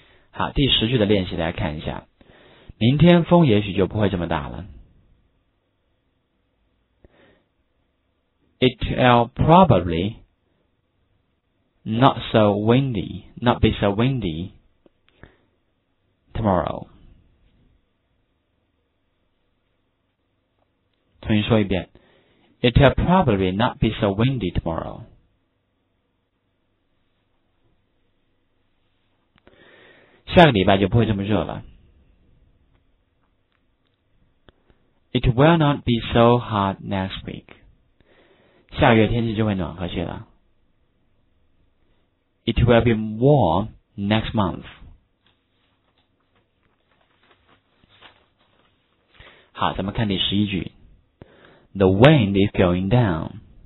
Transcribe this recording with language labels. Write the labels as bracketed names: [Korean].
[Chinese] 好，第十句的练习，大家看一下。明天风也许就不会这么大了。 [English] It'll probably not so windy, not be so windy tomorrow. [Chinese] 重新说一遍。 [English] It'll probably not be so windy tomorrow. [Chinese] 下个礼拜就不会这么热了。 [English] It will not be so hot next week. [Chinese] 下个月天气就会暖和些了。 [English] It will be warm next month. [Chinese] 好，咱们看第十一句。 [English] The wind is going down.